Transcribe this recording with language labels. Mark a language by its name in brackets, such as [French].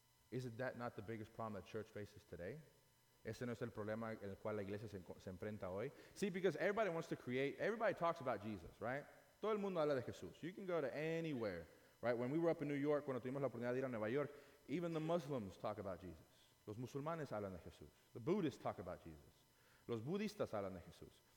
[English] Isn't that not the biggest problem that church faces today? [Spanish] Ese no es el problema en el cual la iglesia se enfrenta hoy. [English] See, because everybody wants to create, everybody talks about Jesus, right? [Spanish] Todo el mundo habla de Jesús. [English] You can go to anywhere. Right, when we were up in New York, [Spanish] cuando tuvimos la oportunidad de ir a Nueva York, [English] even the Muslims talk about Jesus. [Spanish] Los musulmanes hablan de Jesús. [English] The Buddhists talk about Jesus. [Spanish] Los budistas hablan de Jesús.